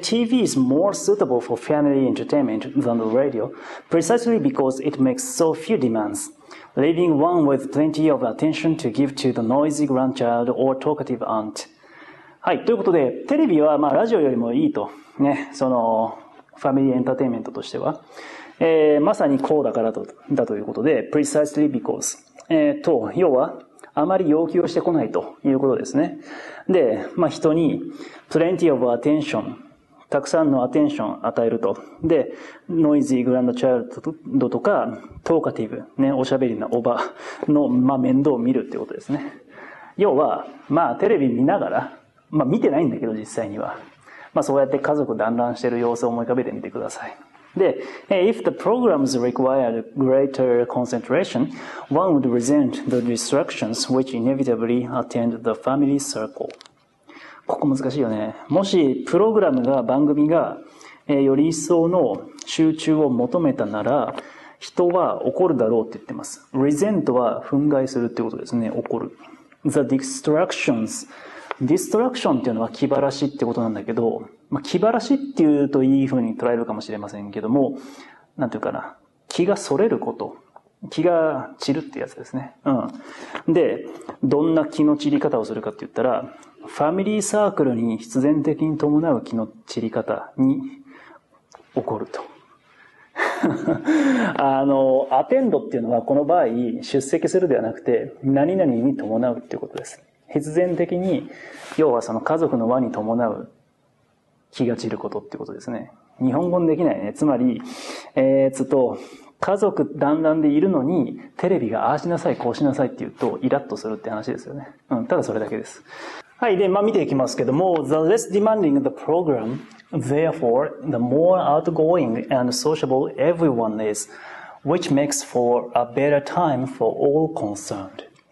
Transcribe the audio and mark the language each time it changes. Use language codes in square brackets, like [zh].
[en] TV is more suitable for family entertainment than the radio, precisely because it makes so few demands, leaving one with plenty of attention to give to the noisy grandchild or talkative aunt. [ja] はい、ということで、テレビはまあラジオよりもいいと、ね、その、ファミリーエンターテインメントとしては、まさにこうだからと、だということで、 [en] precisely because、 [ja] 要は、あまり要求をしてこないということですね。で、まあ、人に [en] plenty of attention、 [ja] たくさんのアテンションを与えると。で、 [en] noisy grandchild [ja] とか、 [en] talkative、 [ja] ね、おしゃべりなおばの、まあ、面倒を見るということですね。要は、まあ、テレビ見ながら、まあ、見てないんだけど、実際には。まあ、そうやって家族団らんしている様子を思い浮かべてみてください。 [en] で、if the programs required greater concentration, one would resent the distractions which inevitably attend the family circle. [ja] ここ難しいよね。もし、プログラムが、番組が、より一層の集中を求めたなら、人は怒るだろうって言ってます。 resent は、憤慨するってことですね。怒る。 [en] the distractions。 [ja] distraction っていうのは気晴らしってことなんだけど、まあ、気晴らしっていうといい風に捉えるかもしれませんけども、なんていうかな、気が逸れること、気が散るってやつですね。うん。で、どんな気の散り方をするかって言ったら、ファミリーサークルに必然的に伴う気の散り方に起こると。アテンドっていうのはこの場合、出席するではなくて、何々に伴うっていうことです。必然的に、要はその家族の輪に伴う気が散ることってことですね。日本語にできないね。つまり、家族団らんでいるのに、テレビがああしなさい、こうしなさいって言うと、イラッとするって話ですよね。うん、ただそれだけです。はい、で、まあ、見ていきますけども、 [en] the less demanding the program, therefore, the more outgoing and sociable everyone is, which makes for a better time for all concerned.